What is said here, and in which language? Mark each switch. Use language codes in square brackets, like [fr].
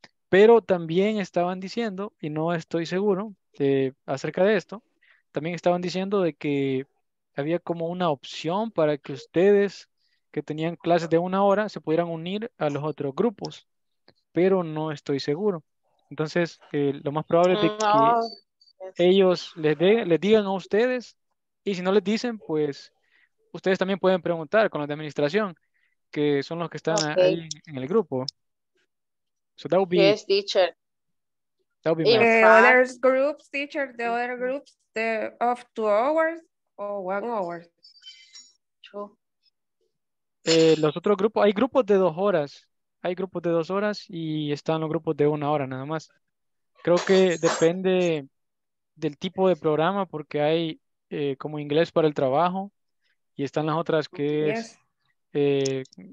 [es] Pero también estaban diciendo, y no estoy seguro, acerca de esto, también estaban diciendo de que había como una opción para que ustedes que tenían clases de 1 hora se pudieran unir a los otros grupos, pero no estoy seguro. Entonces, lo más probable es que ellos les digan a ustedes, y si no les dicen, pues ustedes también pueden preguntar con los de administración, que son los que están ahí en el grupo. [en] So that would be... Yes, teacher. That would be... Other groups, teacher, the other groups, the of 2 hours or 1 hour? True. [es] Los otros grupos, hay grupos de 2 horas. Hay grupos de 2 horas y están los grupos de 1 hora nada más. Creo que depende del tipo de programa porque hay como inglés para el trabajo y están las otras que es...